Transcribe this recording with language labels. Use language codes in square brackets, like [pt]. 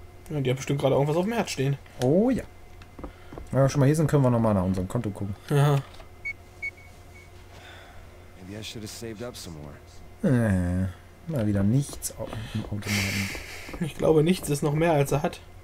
[de] Ja, die hat bestimmt gerade irgendwas auf dem Herz stehen. Oh ja. Wenn wir schon mal hier sind, können wir nochmal nach unserem Konto gucken. Ja. [en] Maybe I should have saved up some more. [de] Mal wieder nichts im Automaten. Ich glaube, nichts ist noch mehr, als er hat.